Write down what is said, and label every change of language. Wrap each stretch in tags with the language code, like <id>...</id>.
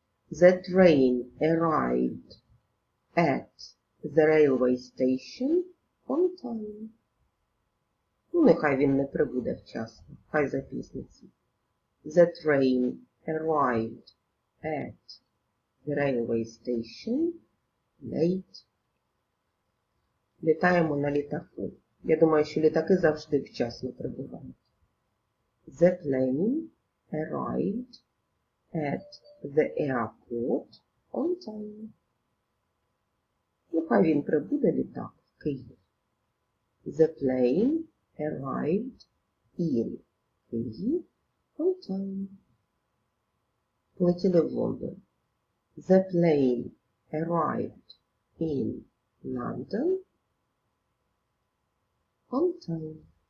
<en>The train arrived at the railway station on time.</en> <uk>Ну, нехай він не прибуде вчасно, хай запізниться.</uk> <en>The train arrived at the railway station late.</en> <uk>Літаємо на літаку. Я думаю, що літаки завжди вчасно прибувають.</uk> <en>The plane arrived at the airport on time.</en> <uk>Нехай він прибуде літак в Київ.</uk> <en>The plane arrived in Kyiv on time.</en> <uk>Полетіли в Лондон.</uk> <en>The plane arrived in London on time.</en>